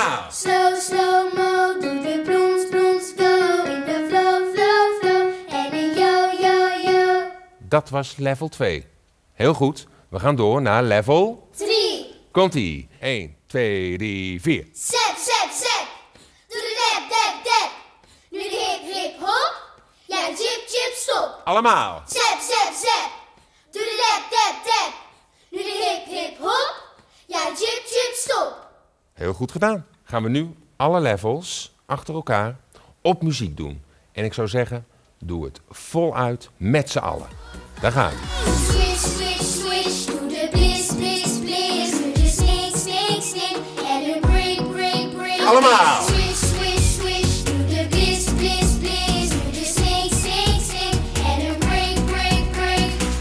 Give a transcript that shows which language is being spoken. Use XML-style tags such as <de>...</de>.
<en>Slow, slow, mo, do the plons, plons, go, in the flow, flow, flow, and a yo, yo, yo.</en> <nl>Dat was level 2. Heel goed, we gaan door naar level... 3. Komt-ie. 1, 2, 3, 4. Zep, zep, zep. Doe de dep, dep, dep. Nu de hip, hip, hop. Ja, jip, jip, stop. Allemaal. Zep, zep, zep. Doe de dep, dep, dep. Nu de hip, hip, hop. Ja, jip, jip, stop. Heel goed gedaan. Gaan we nu alle levels achter elkaar op muziek doen. En ik zou zeggen, doe het voluit met z'n allen. Daar gaan we.</nl> <en>Swish, swish, swish, do the bliss, bliss, bliss. Do the snake, snake, snake, and a break, break, break.</en> <nl>Allemaal.</nl> <en>Swish, swish, swish, do the bliss, bliss, bliss. Do the snake, snake, snake, and a break, break, break.</en>